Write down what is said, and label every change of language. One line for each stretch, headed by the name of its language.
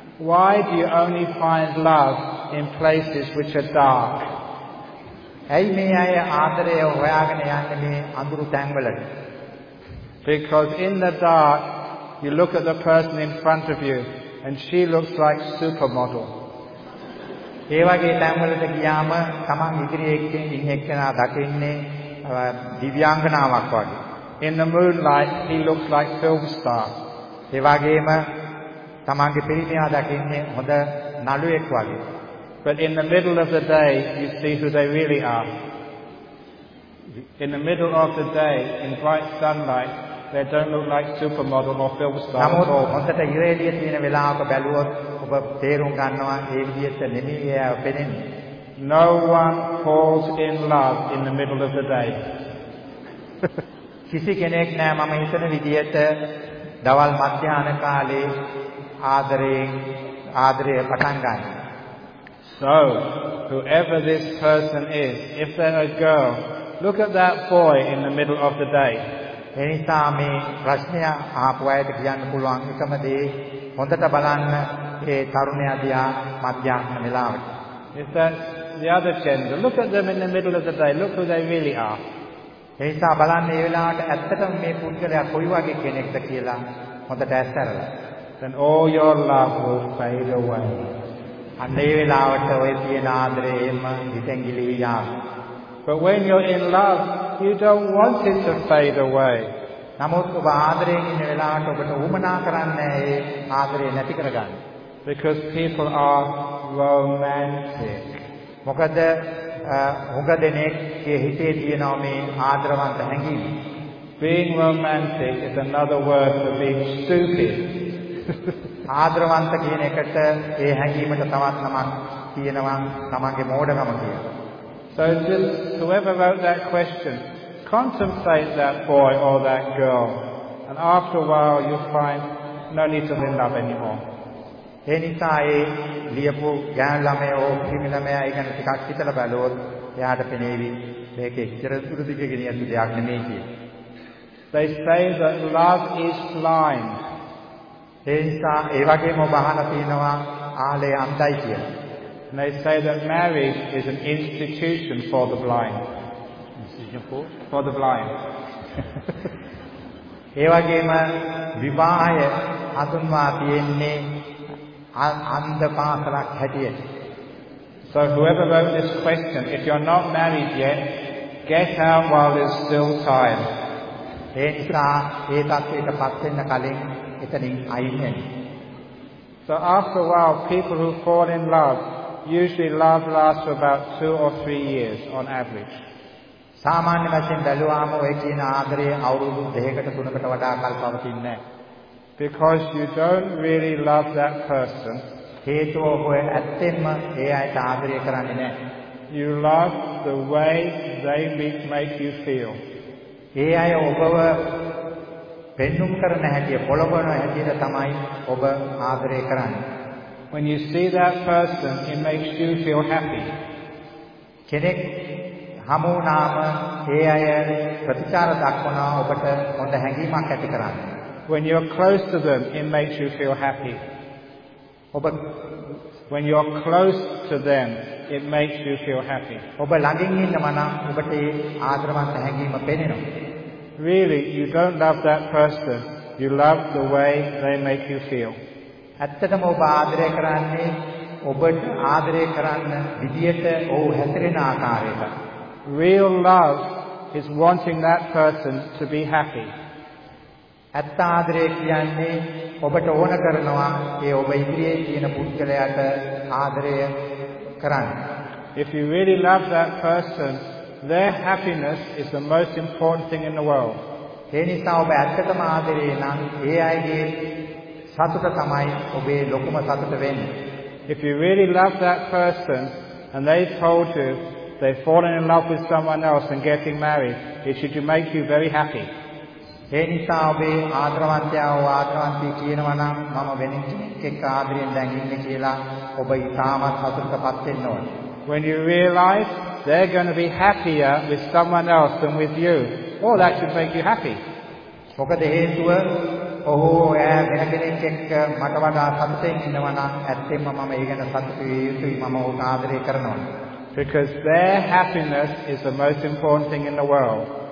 English: Why do you only find love in places which are dark?
Sinhala: ඇයි මේ අය ආදරය හොයාගෙන යන්නේ මේ අඳුරු තැන්වලට?
English: Because in the dark, you look at the person in front of you, and she looks like supermodel.
Sinhala: ඒ වගේ තැන්වලට ගියාම තමන් ඉදිරියේ එක්කෙන් ඉන්න එක්කෙනා දකින්නේ දිව්‍යාංගනාවක් වගේ.
English: In the moonlight, he looks like film star.
Sinhala: ඒ වගේම තමන්ගේ පිරිමියා දකින්නේ හොඳ නළුවෙක් වගේ.
English: But in the middle of the day, you see who they really are. In the middle of the day, in bright sunlight, they don't look like supermodel or film star.
Sinhala: නමුත් හොඳට ඉරේදී තියෙන වෙලාවක බැලුවොත් ඔබ තේරුම් ගන්නවා ඒ විදිහට නෙමෙයි ඒ පෙනෙන්නේ.
English: No one falls in love in the middle of the day.
Sinhala: කිසි කෙනෙක් නෑ මම හිතන විදිහට දවල් මධ්‍යාහන කාලේ ආදරය පටන් ගන්න.
English: So, whoever this person is, if they're a girl, look at that boy in the middle of the day.
Sinhala: එනිසා මේ ප්‍රශ්නය අහපු අයට කියන්න පුළුවන් එකම දේ හොඳට බලන්න ඒ තරුණයා දිහා මධ්‍යාහන වෙලාවට.
English: If that's the other gender, look at them in the middle of the day, look who they really are.
Sinhala: එනිසා බලන්න මේ වෙලාවට ඇත්තටම මේ පුද්ගලයා කොයි වගේ කෙනෙක්ද කියලා හොඳට ඇස් අරලා.
English: Then all your love will fade away.
Sinhala: අන්න ඒ වෙලාවට ඔය තියෙන ආදරයම හිතෙන් ගිලිහී යාවි.
English: But when you're in love, you don't want it to fade away.
Sinhala: නමුත් ඔබ ආදරයෙන් ඉන්න වෙලාවට ඔබට උමනා කරන්නේ ඒ ආදරය නැති කරගන්න.
English: Because people are romantic.
Sinhala: මොකද හුඟ දෙනෙක්ගේ හිතේ තියෙනවා මේ ආදරවන්ත හැඟීම.
English: Being romantic is another word for being stupid.
Sinhala: ආදරවන්ත කියන එකට ඒ හැඟීමට තවත් නමක් තියෙනවා තමගේ මෝඩකම කියලා.
English: So just whoever wrote that question, contemplate that boy or that girl, and after a while you'll find no need to be in love anymore.
Sinhala: එනිසා ඒ ලියපු ගෑනු ළමයා හෝ පිරිමි ළමයා ඒ ගැන ටිකක් හිතලා බැලුවොත් එයාට පෙනේවි මේක එච්චර දුරට ගෙනියන්න දෙයක් නෙමෙයි කියලා.
English: They say that love is blind.
Sinhala: එනිසා ඒ වගේම ඔබ අහලා තියෙනවා ආලේ අන්ධයි කියලා.
English: And they say that marriage is an institution for the blind. For the blind.
Sinhala: ඒ වගේම විවාහය හඳුන්වා තියෙන්නේ අන්ධ පාසලක් හැටියට.
English: So whoever wrote this question, if you're not married yet, get out while there's still time.
Sinhala: ඒ නිසා ඒ තත්ත්වයට පත් වෙන්න කලින් එතනින් අයින් වෙන්න.
English: So after a while, people who fall in love, usually love lasts for about 2 or 3 years on average.
Sinhala: සාමාන්‍ය වශයෙන් බැලුවාම ඔය කියන ආදරය අවුරුදු 2කට 3කට වඩා කල් පවතින්නේ නැහැ.
English: Because you don't really love that person.
Sinhala: හේතුව ඔබ ඇත්තෙන්ම ඒ අයට ආදරය කරන්නේ නැහැ.
English: You love the way they make you feel.
Sinhala: ඒ අය ඔබව පෙන්눔 කරන හැටි පොළඹවන හැටි තමයි ඔබ ආදරය කරන්නේ.
English: When you see that person, it makes you feel happy.
Sinhala: කෙනෙක් හමු වුණාම ඒ අය ප්‍රතිචාර දක්වනවා ඔබට හොඳ හැඟීමක් ඇති කරගන්න.
English: When you're close to them, it makes you feel happy.
Sinhala: ඔබ
English: when you're close to them, it makes you feel happy.
Sinhala: ඔබ ළඟින් ඉන්නම නම් ඔබට ඒ ආදරවන්ත හැඟීම පෙනෙනවා.
English: Really, you don't love that person. You love the way they make you feel.
Sinhala: ඇත්තටම ඔබ ආදරය කරන්නේ ඔබට ආදරය කරන්න විදියට ඔහු හැසිරෙන ආකාරයට.
English: Real love is wanting that person to be happy.
Sinhala: ඇත්ත ආදරය කියන්නේ ඔබට ඕන කරනවා ඒ ඔබ ඉදිරියේ තියෙන පුද්ගලයාට ආදරය කරන්න.
English: If you really love that person, their happiness is the most important thing in the world.
Sinhala: එනිසා ඔබ ඇත්තටම ආදරය නම් ඒ අයගේ සතුට තමයි ඔබේ ලොකුම සතුට වෙන්නේ.
English: If you really love that person and they told you they've fallen in love with someone else and getting married, it should make you very happy.
Sinhala: ඒ නිසා ඔබේ ආදරවන්තයාව ආදරවන්තී කියනවා නම් මම වෙන කෙනෙක් ආදරයෙන් දැන් ඉන්නේ කියලා ඔබ ඉතාමත් සතුටපත් වෙන්න ඕනේ.
English: When you realize they're going to be happier with someone else than with you, oh, that should make you happy.
Sinhala: මොකද හේතුව ඔහු ඈ වෙන කෙනෙක් එක්ක මට වඩා සතුටින් ඉන්නවා නම් ඇත්තෙන්ම මම ඒ ගැන සතුටු විය යුතුයි මම ඔහු ආදරය කරනවා
English: because their happiness is the most important thing in the world